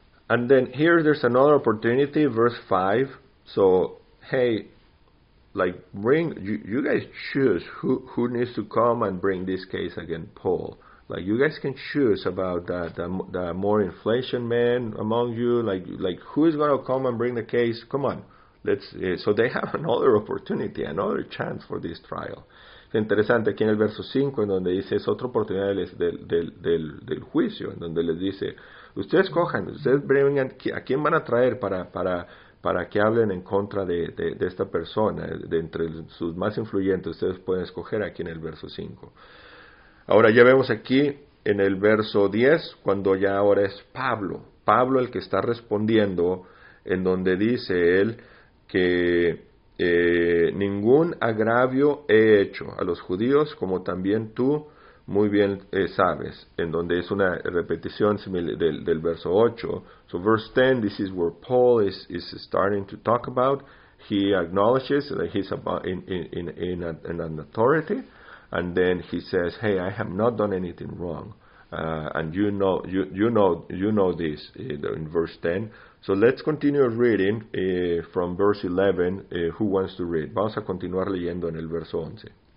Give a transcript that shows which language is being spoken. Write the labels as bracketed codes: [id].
[en] And then here there's another opportunity, verse 5. So, hey, like, bring, you guys choose who needs to come and bring this case against Paul. Like, you guys can choose about the more inflation man among you. Like who is going to come and bring the case? Come on. So they have another opportunity, another chance for this trial. [es] Interesante aquí en el verso 5, en donde dice, es otra oportunidad del juicio, en donde les dice, ustedes cojan, ustedes vengan, ¿a quién van a traer para que hablen en contra de esta persona? De entre sus más influyentes, ustedes pueden escoger aquí en el verso 5. Ahora ya vemos aquí en el verso 10, cuando ya ahora es Pablo, Pablo el que está respondiendo, en donde dice él que ningún agravio he hecho a los judíos, como también tú muy bien sabes, en donde es una repetición del verso 8. [en] So verse 10, this is where Paul is starting to talk about. He acknowledges that he's about in an authority, and then he says, "Hey, I have not done anything wrong, and you know this." In verse 10. So let's continue reading from verse 11. Who wants to read? [es] Vamos a continuar leyendo en el verso 11.